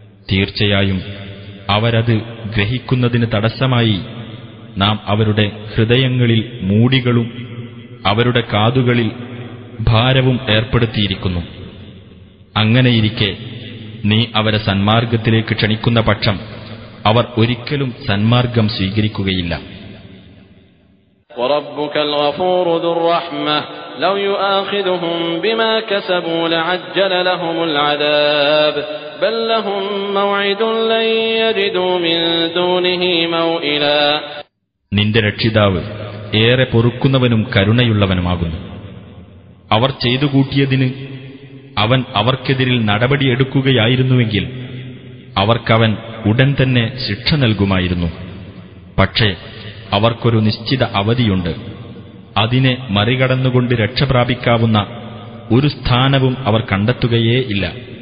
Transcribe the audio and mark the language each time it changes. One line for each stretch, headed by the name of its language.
Malayalam: തീർച്ചയായും അവരത് ഗ്രഹിക്കുന്നതിന് തടസ്സമായി നാം അവരുടെ ഹൃദയങ്ങളിൽ മൂടികളും അവരുടെ കാതുകളിൽ ഭാരവും ഏർപ്പെടുത്തിയിരിക്കുന്നു. അങ്ങനെയിരിക്കെ നീ അവരെ സന്മാർഗത്തിലേക്ക് ക്ഷണിക്കുന്ന പക്ഷം അവർ ഒരിക്കലും സന്മാർഗം സ്വീകരിക്കുകയില്ല.
Arabic: وربك الغفور ذو الرحمة لو يؤاخذهم بما كسبوا لعجل لهم العذاب بل لهم موعد لن يجدوا من دونه موئلا
Malayalam: നിന്റെ രക്ഷിതാവ് ഏറെ പൊറുക്കുന്നവനും കരുണയുള്ളവനുമാകുന്നു. അവർ ചെയ്തു കൂട്ടിയതിന് അവൻ അവർക്കെതിരിൽ നടപടി എടുക്കുകയായിരുന്നുവെങ്കിൽ അവർക്കവൻ ഉടൻ തന്നെ ശിക്ഷ നൽകുമായിരുന്നു. പക്ഷേ അവർക്കൊരു നിശ്ചിത അവധിയുണ്ട്, അതിനെ മറികടന്നുകൊണ്ട് രക്ഷപ്രാപിക്കാവുന്ന ഒരു സ്ഥാനവും അവർ കണ്ടെത്തുകയേയില്ല.